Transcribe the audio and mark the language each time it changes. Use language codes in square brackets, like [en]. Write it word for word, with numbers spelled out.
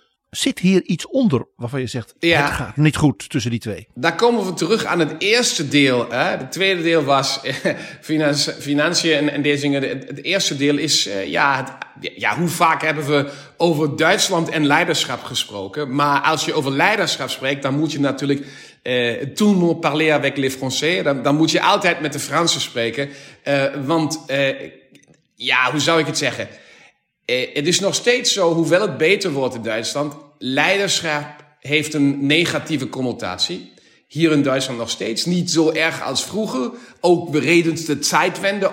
[nl] Zit hier iets onder waarvan je zegt, ja, het gaat niet goed tussen die twee? Daar komen we terug aan het eerste deel. Hè? Het tweede deel was eh, financi- financiën en, en deze dingen. Het, het eerste deel is, eh, ja, het, ja, hoe vaak hebben we over Duitsland en leiderschap gesproken? Maar als je over leiderschap spreekt, dan moet je natuurlijk... [fr] Uh, tout le monde parler avec les Français. [nl] Dan, dan moet je altijd met de Fransen spreken. Uh, want, uh, ja, hoe zou ik het zeggen... Eh, het is nog steeds zo, hoewel het beter wordt in Duitsland... leiderschap heeft een negatieve connotatie. Hier in Duitsland nog steeds. Niet zo erg als vroeger. Ook redens de Zeitwende.